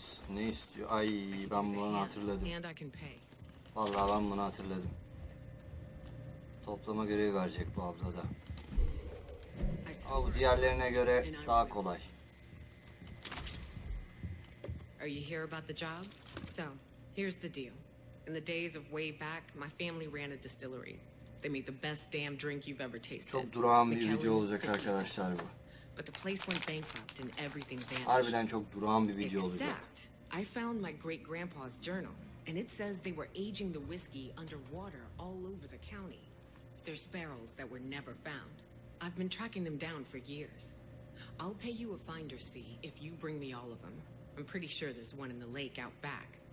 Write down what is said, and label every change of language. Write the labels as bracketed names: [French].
[Turkish] Ne istiyor? Ay, ben bunu hatırladım. Vallahi ben bunu hatırladım. Toplama görevi verecek bu abla da. Ama bu diğerlerine göre daha kolay. [English] Are you here about the job? So, here's the deal. In the days of way back, my family ran a distillery. They made the best damn drink you've ever tasted. [Turkish] Çok durağan bir video olacak arkadaşlar bu. [English] But the place went bankrupt and everything vanished. [Turkish] Harbiden çok durağan bir video olacak. [English] I found my great grandpa's journal and it says they were aging the whiskey underwater all over the county. There's barrels that were never found. I've been tracking them down for years. I'll pay you a finder's fee if you bring me all of them. I'm pretty sure there's one in the lake out back.